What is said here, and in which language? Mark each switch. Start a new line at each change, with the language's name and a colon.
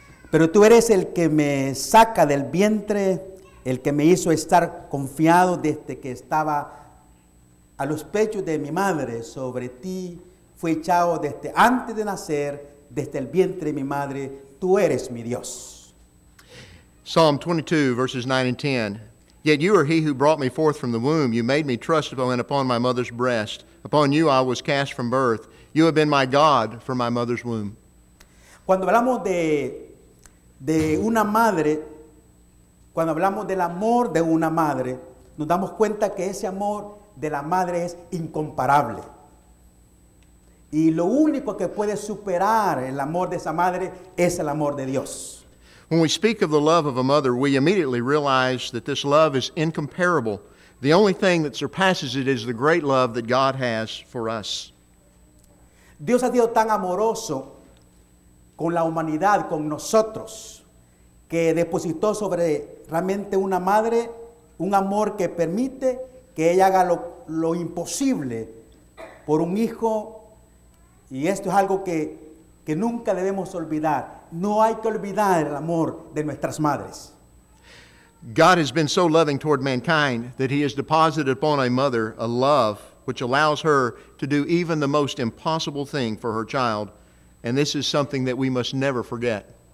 Spanish: Pero tú eres el que me saca del vientre, el que me hizo estar confiado desde que estaba a los pechos de mi madre. Sobre ti fui echado desde antes de nacer, desde el vientre de mi madre. Tú eres mi Dios.
English: Psalm 22, verses 9 and 10. Yet you are he who brought me forth from the womb. You made me trust upon my mother's breast. Upon you I was cast from birth. You have been my God from my mother's womb.
Spanish: Cuando hablamos de una madre, cuando hablamos del amor de una madre, nos damos cuenta que ese amor de la madre es incomparable. Y lo único que puede superar el amor de esa madre es el amor de Dios.
English: When we speak of the love of a mother, we immediately realize that this love is incomparable. The only thing that surpasses it is the great love that God has for us.
Spanish: Dios ha sido tan amoroso con la humanidad, con nosotros, que depositó sobre realmente una madre un amor que permite que ella haga lo imposible por un hijo. Y esto es algo que nunca debemos olvidar. No hay que olvidar el amor de nuestras madres.
English: God has been so loving toward mankind that he has deposited upon a mother a love which allows her to do even the most impossible thing for her child. And this is something that we must never forget.